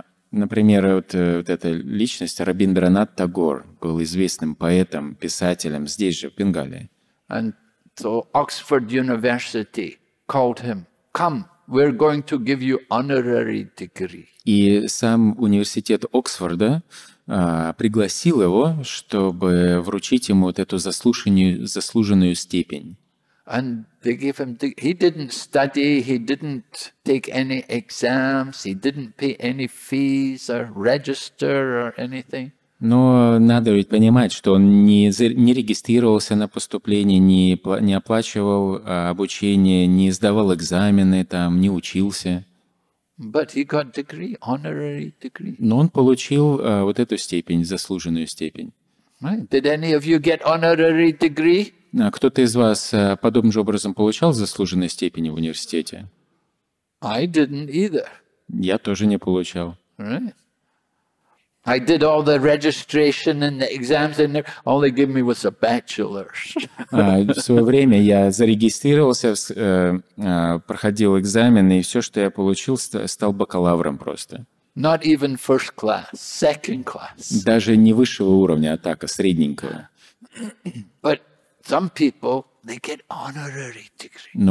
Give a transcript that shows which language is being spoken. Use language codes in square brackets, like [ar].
[ru] Например, вот эта личность Рабиндранат Тагор был известным поэтом, писателем здесь же, в Бенгалии. [en] And so Oxford University called him. Come, we're going to give you honorary degree. [ru] И сам университет Оксфорда пригласил его, чтобы вручить ему вот эту заслуженную степень. [en] And they gave him. He didn't study. He didn't take any exams. He didn't pay any fees or register or anything. [ru] Но надо ведь понимать, что он не регистрировался на поступление, не оплачивал обучение, не сдавал экзамены, там, не учился. [en] But he got degree, honorary degree. [ru] Но он получил вот эту степень, заслуженную степень. [en] Did any of you get honorary degree? [ru] Кто-то из вас подобным же образом получал заслуженную степень в университете? [en] I didn't either. [ru] Я тоже не получал. [en] Right. I did all the registration and the exams, and all they gave me was a bachelor's. [ru] В свое время я зарегистрировался, проходил экзамен, и все, что я получил, стал бакалавром просто. [en] Not even first class, second class. [ru] Даже не высшего уровня, а так, а средненького. [en] But some people, they get honorary degrees.